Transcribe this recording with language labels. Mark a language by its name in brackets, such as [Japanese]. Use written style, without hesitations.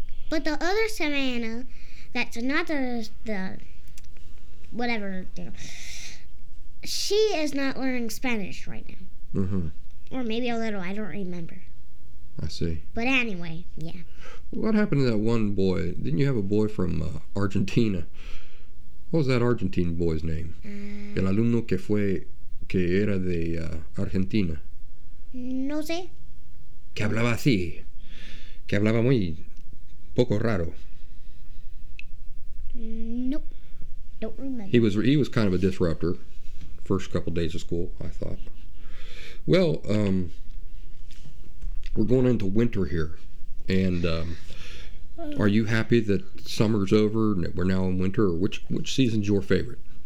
[English] But the other Savannah, that's not the whatever, she is not learning Spanish right now. Uh-huh. Or maybe a little, I don't remember. I see. But anyway, yeah. What happened to that one boy? Didn't you have a boy from Argentina? What was that Argentine boy's name? [Spanish] El alumno que era de Argentina. No sé. Que hablaba así. Que hablaba muy poco raro. [English] Nope. Don't remember. He was kind of a disruptor first couple days of school, I thought. Well, we're going into winter here. And... are you happy that summer's over and that we're now in winter? Or which season's your favorite?